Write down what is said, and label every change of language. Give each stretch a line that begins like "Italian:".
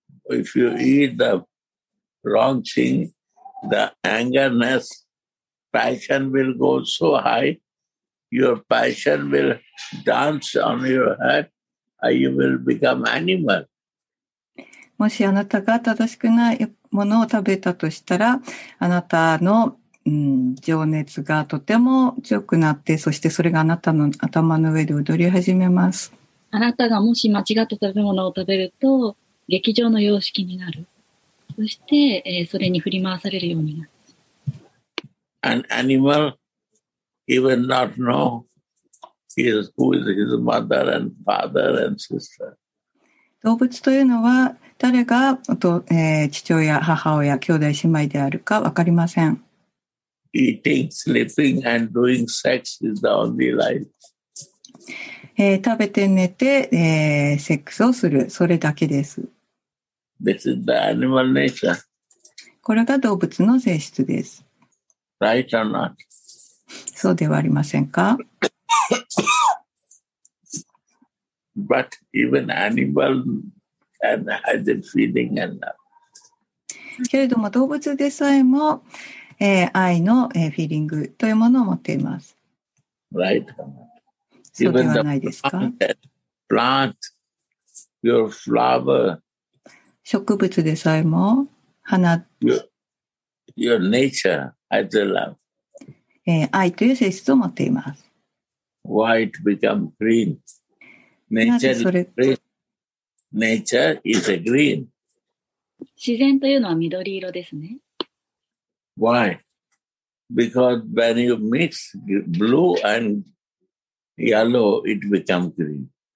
English: If you eat the wrong thing, the angerness. Passion will go so high, your passion will dance on your head, and you will become animal.
Japanese: もしあなたが正しくないものを食べたとしたら、あなたの、情熱がとても強くなって、そしてそれがあなたの頭の上で踊り始めます。あなたがもし間違った食べ物を食べると、劇場の様式になる。そして、それに振り回されるようになる。
English: An animal, he will not know who is his mother and father and sister.
Japanese: 動物というのは誰が父親、母親、兄弟、姉妹であるか分かりません。
English: Eating, sleeping, and doing sex is the only life.
Japanese: 食べて寝て、セックスをする、それだけです。
English: This is the animal nature.
Japanese: これが動物の性質です。
English: Right or not?
Japanese: そうではありませんか？
English: But even animal has a feeling and love.
Japanese: けれども動物でさえも、愛の、フィーリングというものを持っています。
English: Right or not?
Japanese: そうではないですか。
English: Plant, your flower,
Japanese: 植物でさえも花。
English: Your nature as a love.
Japanese: 愛という性質を持っています。
English: Why it become green? Nature is green. Nature is a green.
Japanese: 自然というのは緑色ですね。
English: Why? Because when you mix blue and yellow, it becomes green.